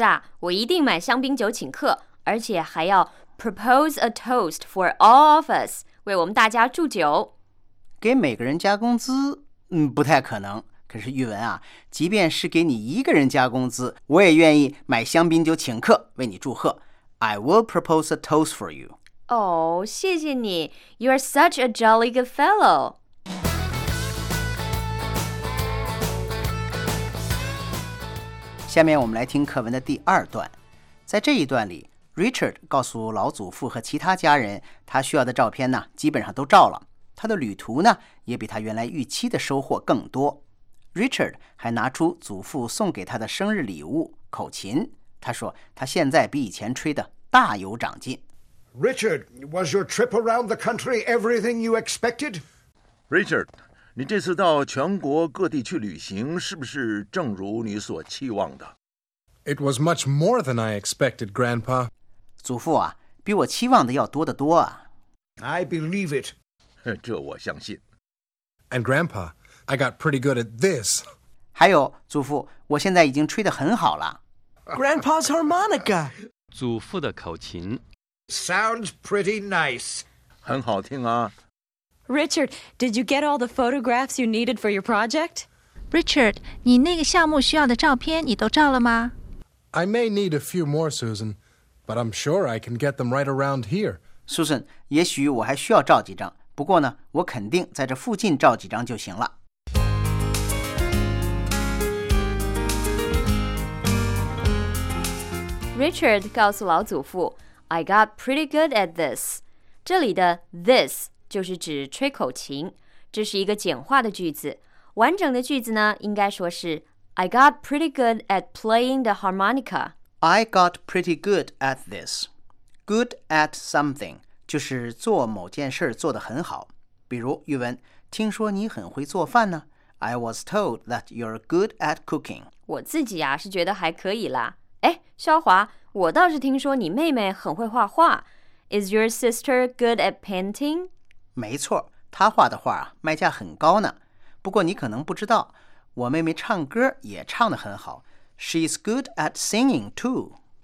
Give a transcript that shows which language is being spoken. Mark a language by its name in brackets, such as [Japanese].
[Chinese] 可是给每个人涨工资，恐怕没有这种好事，不太可能。要真是涨工资啊，我一定买香槟酒请客，而且还要 [English] propose a toast for all of us， [Chinese] 为我们大家祝酒。给每个人加工资，不太可能。可是玉文啊，即便是给你一个人加工资，我也愿意买香槟酒请客为你祝贺。I [English] will propose a toast for you. [Chinese] 哦，谢谢你。 [English] You are such a jolly good fellow. [Chinese] 下面我们来听课文的第二段。在这一段里， Richard 告诉老祖父和其他家人，他需要的照片呢，基本上都照了。他的旅途呢，也比他原来预期的收获更多。Richard 还拿出祖父送给他的生日礼物口琴，他说他现在比以前吹的大有长进。 [English] Richard, was your trip around the country everything you expected? [Chinese] Richard, 你这次到全国各地去旅行是不是正如你所期望的? [English] It was much more than I expected, Grandpa. [Chinese] 祖父啊, 比我期望的要多得多啊。 [English] I believe it. [Chinese] 这我相信。 [English] And Grandpa, I got pretty good at this. [Chinese] 还有，祖父，我现在已经吹得很好了。 [English] Grandpa's harmonica. [Chinese] 祖父的口琴。 [English] Sounds pretty nice. [Chinese] 很好听啊。 [English] Richard, did you get all the photographs you needed for your project? [Chinese] Richard, 你那个项目需要的照片你都照了吗？ [English] I may need a few more, Susan, but I'm sure I can get them right around here. [Chinese] Susan, 也许我还需要照几张，不过呢，我肯定在这附近照几张就行了。 Richard 告诉老祖父 ， [English] I got pretty good at this. [Chinese] 这里的 this 就是指吹口琴，这是一个简化的句子。完整的句子呢，应该说是。 [English] I got pretty good at playing the harmonica. I got pretty good at this. Good at something [Chinese] 就是做某件事做得很好。比如语文，听说你很会做饭呢。 [English] I was told that you're good at cooking. [Chinese] 我自己啊是觉得还可以啦。哎，肖华，我倒是听说你妹妹很会画画。 [English] Is your sister good at painting? [Chinese] 没错，她画的画啊卖价很高呢。不过你可能不知道。我妹妹唱歌也唱得很好。 [English] She's good at singing too.